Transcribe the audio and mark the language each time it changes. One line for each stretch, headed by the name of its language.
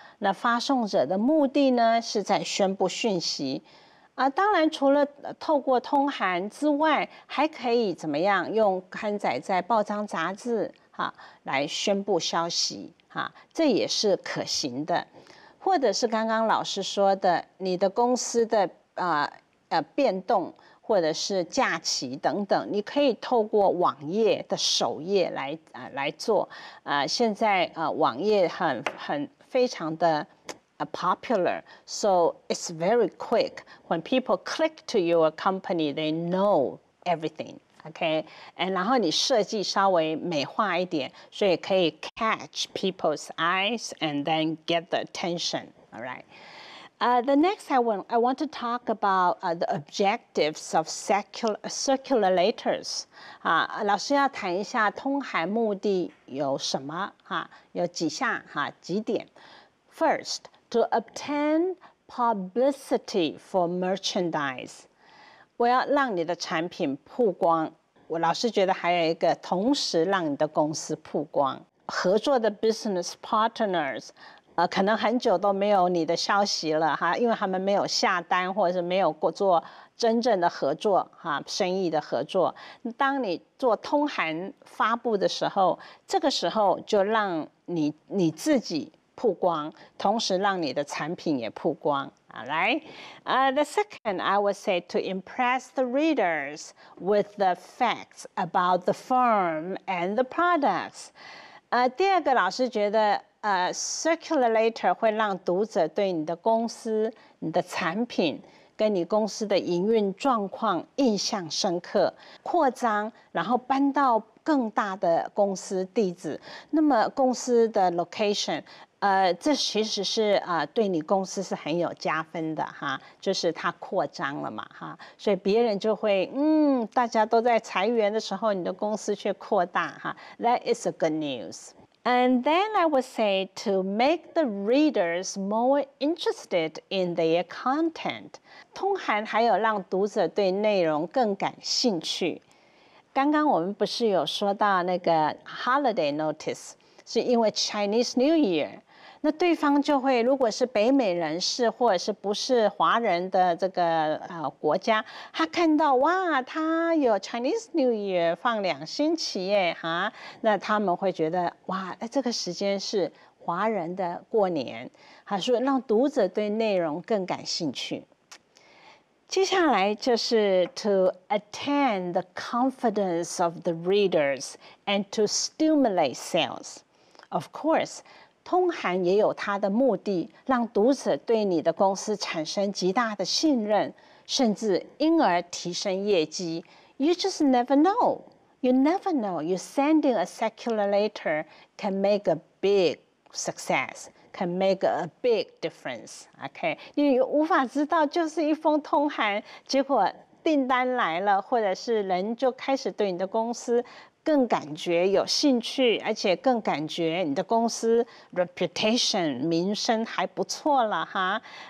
Chinese: 那发送者的目的呢，是在宣布讯息，当然除了透过通函之外，还可以怎么样用刊载在报章杂志哈来宣布消息哈，这也是可行的，或者是刚刚老师说的，你的公司的变动或者是假期等等，你可以透过网页的首页来做，现在网页很。非常的
English: popular, so it's very quick. When people click to your company, they know everything, okay? And
Chinese: 然后你设计稍微美化一点，所以可以
English: catch people's eyes and then get the attention, all right? The next I want to talk about the objectives of circular letters.
Chinese: 老师要谈一下通函目的有什么，有几项，几点。 First, to obtain publicity for merchandise. 我要让你的产品曝光。我老师觉得还有一个，同时让你的公司曝光。合作的
English: business partners,
Chinese: 可能很久都没有你的消息了哈，因为他们没有下单或者是没有过做真正的合作哈，生意的合作。当你做通函发布的时候，这个时候就让你自己曝光，同时让你的产品也曝光。好，来
English: The second I would say to impress the readers with the facts about the firm and the products.
Chinese: 第二个老师觉得circular letter 会让读者对你的公司、你的产品跟你公司的营运状况印象深刻，扩张，然后搬到更大的公司地址。那么公司的 location， 这其实是对你公司是很有加分的哈，就是它扩张了嘛哈，所以别人就会大家都在裁员的时候，你的公司却扩大哈。
English: That is a good news. And then I would say to make the readers more interested in their content.
Chinese: 通函还有让读者对内容更感兴趣。刚刚我们不是有说到那个 holiday notice， 是因为 Chinese New Year， 那对方就会，如果是北美人士或者是不是华人的这个国家，他看到哇，他有 Chinese New Year 放两星期耶哈，那他们会觉得哇，这个时间是华人的过年，还是让读者对内容更感兴趣。接下来就是
English: to attain the confidence of the readers and to stimulate sales. Of course,
Chinese: 通函也有它的目的，让读者对你的公司产生极大的信任，甚至因而提升业绩。
English: You just never know. You never know. You sending a circular letter can make a big success. Can make a big difference. Okay,
Chinese: 你无法知道，就是一封通函，结果订单来了，或者是人就开始对你的公司更感觉有兴趣，而且更感觉你的公司 reputation 名声还不错了哈。